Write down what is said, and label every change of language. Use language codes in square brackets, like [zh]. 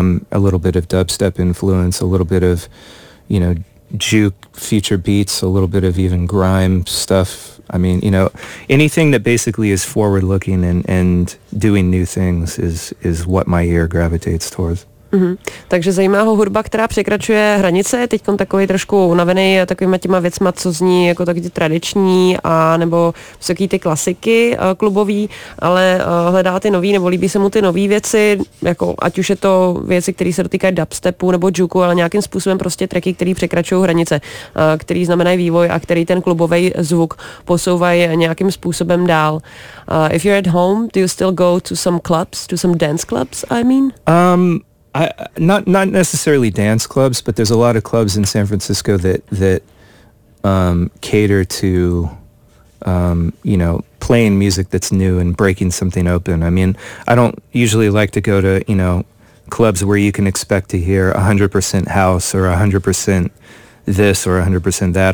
[en] A little bit of dubstep influence, a little bit of, you know, juke future beats, a little bit of even grime stuff. I mean, you know, anything that basically is forward looking and doing new things is what my ear gravitates towards. Mm-hmm. [cs] Takže zajímá ho hudba, která překračuje hranice, teďkon takový trošku unavený takovýma těma věcma, co zní jako taky tradiční a nebo vysoký ty klasiky klubový, ale hledá ty nový, nebo líbí se mu ty nový věci, jako ať už je to věci, které se dotýkají dubstepu nebo juku, ale nějakým způsobem prostě tracky, které překračují hranice, který znamenají vývoj a který ten klubový zvuk posouvají nějakým způsobem dál. [en] If you're at home, do you still go to some clubs, to some dance clubs, I mean? Not necessarily dance clubs, but there's a lot of clubs in San Francisco that cater to, you know, playing music that's new and breaking something open. I mean, I don't usually like to go to, you know, clubs where you can expect to hear 100% house or 100% this or 100% that.